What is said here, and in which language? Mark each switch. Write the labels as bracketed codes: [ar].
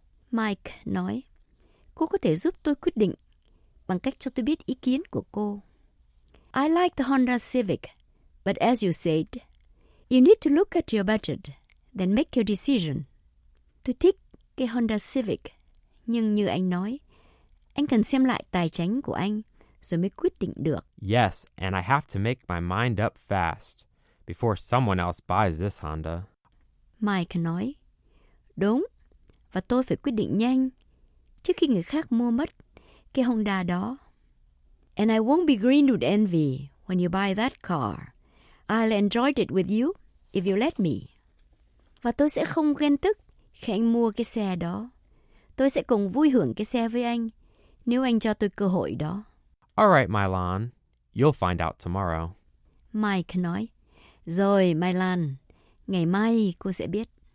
[vi] Mike nói, cô có thể giúp tôi quyết định bằng cách cho tôi biết ý kiến của cô. [en] I like the Honda Civic, But as you said, you need to look at your budget, then make your decision. [vi] Tôi thích cái Honda Civic, nhưng như anh nói, anh cần xem lại tài chính của anh rồi mới quyết định được. [en] Yes, and I have to make my mind up fast before someone else buys this Honda. [vi] Mike nói, đúng, và tôi phải quyết định nhanh trước khi người khác mua mất cái Honda đó. [en] And I won't be green with envy when you buy that car. I'll enjoy it with you if you let me. [vi] Và tôi sẽ không ghen tức khi anh mua cái xe đó. Tôi sẽ cùng vui hưởng cái xe với anh nếu anh cho tôi cơ hội đó. [en] All right, Mylan. You'll find out tomorrow. [vi] Mike nói, rồi, Mylan. Ngày mai cô sẽ biết.